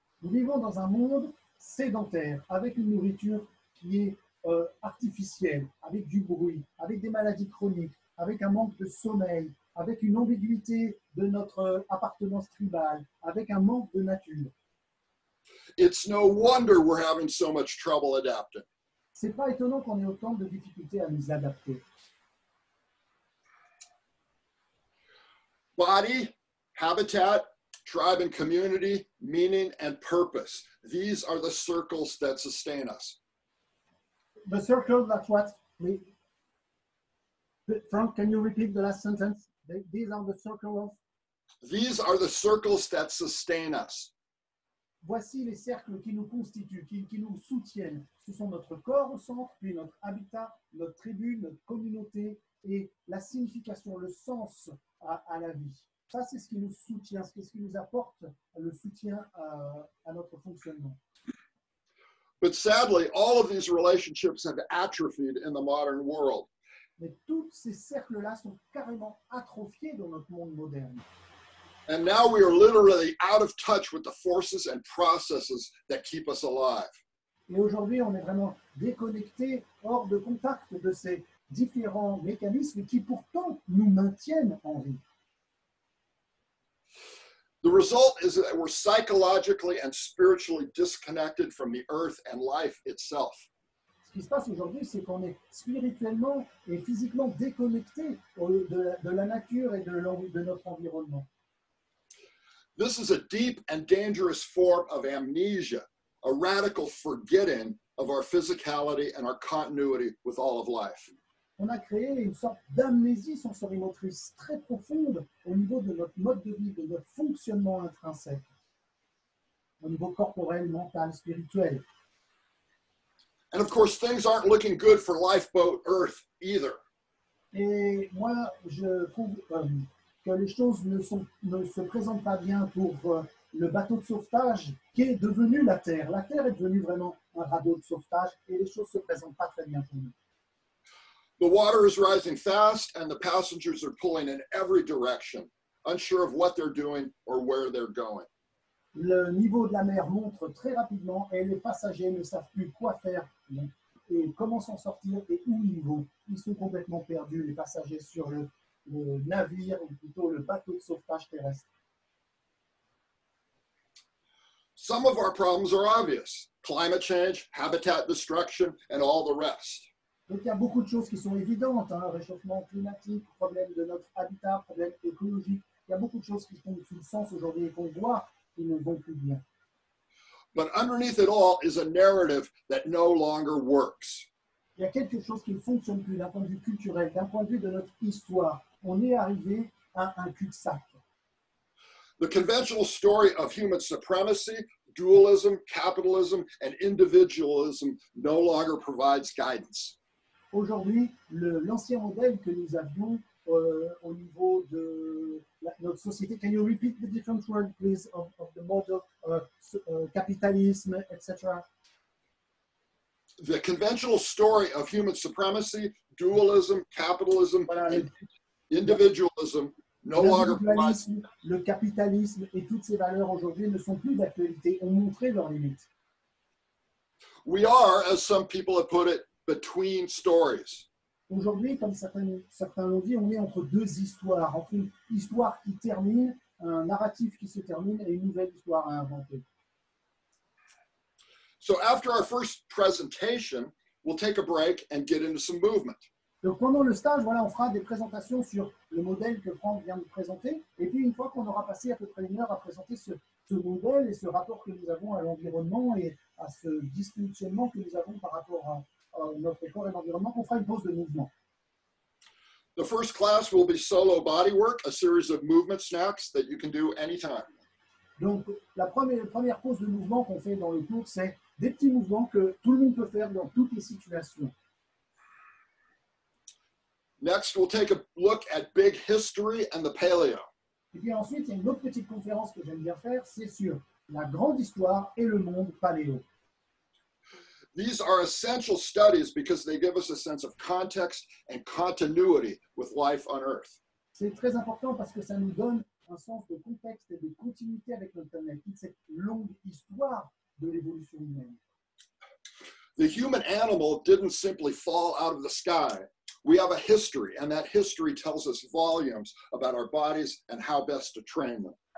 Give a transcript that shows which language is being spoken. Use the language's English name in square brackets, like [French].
[French] Nous vivons dans un monde sédentaire, avec une nourriture qui est artificielle, avec du bruit, avec des maladies chroniques, avec un manque de sommeil, avec une ambiguïté de notre appartenance tribale, avec un manque de nature. [English] It's no wonder we're having so much trouble adapting. [French] C'est pas étonnant qu'on ait autant de difficultés à nous adapter. [English] Body, habitat, tribe and community, meaning and purpose. These are the circles that sustain us. The circle, that's what we... Frank, can you repeat the last sentence? These are the circles of... These are the circles that sustain us. [French] Voici les cercles qui nous constituent, qui nous soutiennent. Ce sont notre corps au centre, puis notre habitat, notre tribu, notre communauté, et la signification, le sens à la vie. Ça, c'est ce qui nous soutient, c'est ce qui nous apporte le soutien à notre fonctionnement. [English] But sadly, all of these relationships have atrophied in the modern world. [French] Mais tous ces cercles-là sont carrément atrophiés dans notre monde moderne. [English] And now we are literally out of touch with the forces and processes that keep us alive. [French] Et aujourd'hui, on est vraiment déconnecté, hors de contact de ces différents mécanismes qui pourtant nous maintiennent en vie. [English] The result is that we're psychologically and spiritually disconnected from the earth and life itself. [French] Ce qui se passe aujourd'hui, c'est qu'on est spirituellement et physiquement déconnecté de la nature et de notre environnement. [English] This is a deep and dangerous form of amnesia, a radical forgetting of our physicality and our continuity with all of life. [French] On a créé une sorte d'amnésie sensorimotrice très profonde au niveau de notre mode de vie, de notre fonctionnement intrinsèque, au niveau corporel, mental, spirituel. [English] And of course, things aren't looking good for lifeboat Earth either. [French] Et moi, je trouve que les choses ne se présentent pas bien pour le bateau de sauvetage qui est devenu la Terre. La Terre est devenue vraiment un radeau de sauvetage et les choses ne se présentent pas très bien pour nous. [English] The water is rising fast and the passengers are pulling in every direction, unsure of what they're doing or where they're going. [French] Le niveau de la mer monte très rapidement et les passagers ne savent plus quoi faire et comment s'en sortir et où ils vont. Ils sont complètement perdus, les passagers sur le navire, ou plutôt le bateau de sauvetage terrestre. [English] Some of our problems are obvious. Climate change, habitat destruction, and all the rest. [French] Donc il y a beaucoup de choses qui sont évidentes, hein, réchauffement climatique, problème de notre habitat, problème écologique. Il y a beaucoup de choses qui font du sens aujourd'hui et qu'on voit qui ne vont plus bien. [English] But underneath it all is a narrative that no longer works. [French] Il y a quelque chose qui ne fonctionne plus d'un point de vue culturel, d'un point de vue de notre histoire. On est arrivé à un cul-de-sac. [English] The conventional story of human supremacy, dualism, capitalism, and individualism no longer provides guidance. [French] Aujourd'hui, l'ancien modèle que nous avions au niveau de notre société. [English] Can you repeat the different word, please, of the model capitalism, etc. The conventional story of human supremacy, dualism, capitalism, individualism no longer provides. [French] Le capitalisme et toutes ces valeurs aujourd'hui ne sont plus d'actualité, ont montré leurs limites. [English] We are, as some people have put it, between stories. [French] Aujourd'hui, comme certains l'ont dit, on est entre deux histoires, entre une histoire qui termine, un narratif qui se termine et une nouvelle histoire à inventer. [English] So after our first presentation, we'll take a break and get into some movement. [French] Donc pendant le stage, voilà, on fera des présentations sur le modèle que Franck vient de présenter. Et puis une fois qu'on aura passé à peu près une heure à présenter ce modèle et ce rapport que nous avons à l'environnement et à ce dysfonctionnement que nous avons par rapport à notre corps et l'environnement, on fera une pause de mouvement. [English] The first class will be solo bodywork, a series of movement snacks that you can do anytime. [French] Donc la première pause de mouvement qu'on fait dans le cours, c'est des petits mouvements que tout le monde peut faire dans toutes les situations. [English] Next, we'll take a look at big history and the paleo. [French] Et puis ensuite, il y a une autre petite conférence que j'aime bien faire, c'est sur la grande histoire et le monde paléo. [English] These are essential studies because they give us a sense of context and continuity with life on Earth. [French] C'est très important parce que ça nous donne un sens de contexte et de continuité avec notre planète, cette longue histoire de l'évolution humaine. [English] The human animal didn't simply fall out of the sky. We have a history, and that history tells us volumes about our bodies and how best to train them.